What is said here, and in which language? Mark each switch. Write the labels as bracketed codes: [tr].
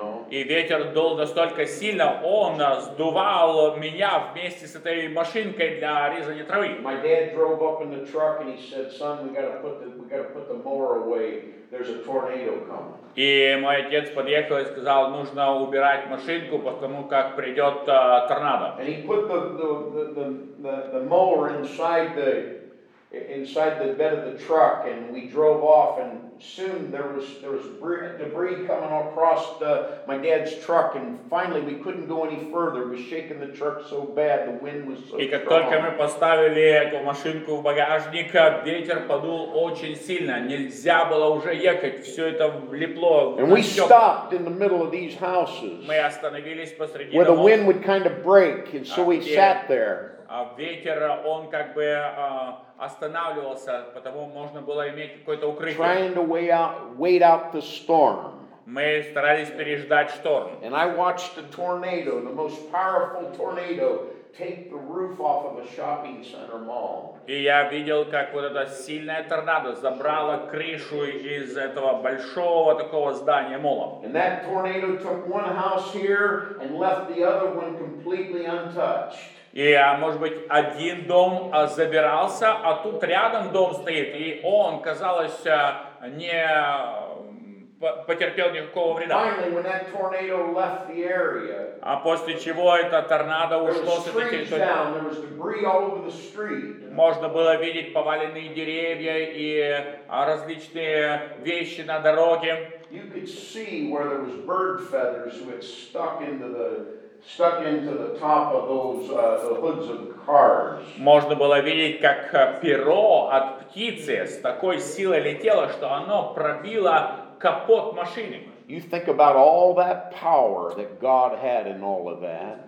[ru] И ветер дул настолько сильно, он сдувал меня вместе с этой машинкой для резания травы. [en] My dad drove up in the truck and he said, "Son, we gotta put the mower away. There's a tornado coming." [ru] И мой отец подъехал и сказал, нужно убирать машинку, потому как придет торнадо. [en] And he put the mower inside the bed of the truck and we drove off and soon there was debris coming across my dad's truck and finally we couldn't go any further. It was shaking the truck so bad, the wind was so strong. [ru] И как только мы поставили эту машинку в багажник, ветер подул очень сильно. Нельзя было уже ехать, все это влепло. [en] And we stopped in the middle of these houses. [ru] Мы остановились посреди домов. [en] Where the wind would kind of break and so we sat there. [ru] А ветер, он как бы останавливался, потому можно было иметь какое-то укрытие. [en] Trying to wait out the storm. [ru] Мы старались переждать шторм. [en] And I watched a tornado, the most powerful tornado, take the roof off of a shopping center mall. [ru] И я видел, как вот эта сильная торнадо забрала крышу из этого большого такого здания молла. [en] And that tornado took one house here and left the other one completely untouched. [ru] И, может быть, один дом забирался, а тут рядом дом стоит, и он, казалось, не потерпел никакого вреда. [en] Finally, when that tornado left the area, [ru] а после чего это торнадо ушло с этой территории, можно было видеть поваленные деревья и различные вещи на дороге. [en] You could see where there was bird feathers which stuck into the top of those hoods of cars. [ru] Можно было видеть, как перо от птицы с такой силой летело, что оно пробило капот машины. [en] You think about all that power that God had in all of that.